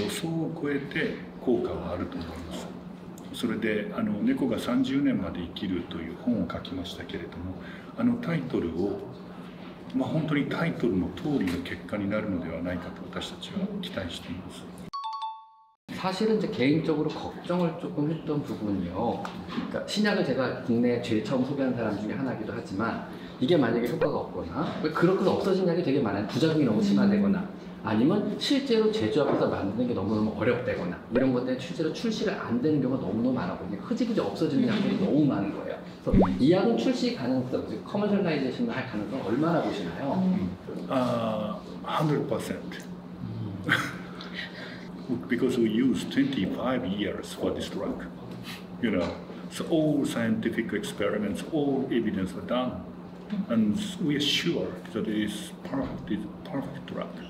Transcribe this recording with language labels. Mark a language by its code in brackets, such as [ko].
[ja] で、その論文は今まさに投稿をするところで、おそらく今年中には非常に大きな論文として発表されると思います。結果は素晴らしいものです。私たちの今までの結果からすると、私たちの予想を超えて効果はあると思います。それで、猫が30年まで生きるという本を書きましたけれども、タイトルを まあ本当にタイトルの通りの結果になるのではないかと私たちは期待しています。 [ko] 사실은 이제 개인적으로 걱정을 조금 했던 부분이요. 그러니까 신약을 제가 국내에 제일 처음 소개한 사람 중에 하나이기도 하지만 이게 만약에 효과가 없거나 그렇게 없어진 약이 되게 많아요. 부작용이 너무 심화되거나 아니면 실제로 제조업에서 만드는 게 너무너무 어렵다거나 이런 것 때문에 실제로 출시가 안 되는 경우가 너무너무 많아거든요. 흐지부지 없어지는 약들이 너무 많은 거예요. 그래서 이 약은 출시 가능성, 즉 커머셜라이제이션 할 가능성 얼마나 보시나요? [en] 100% Because we use 25 years for this drug, you know, so all scientific experiments, all evidence are done, and we are sure that it is perfect, it's perfect drug.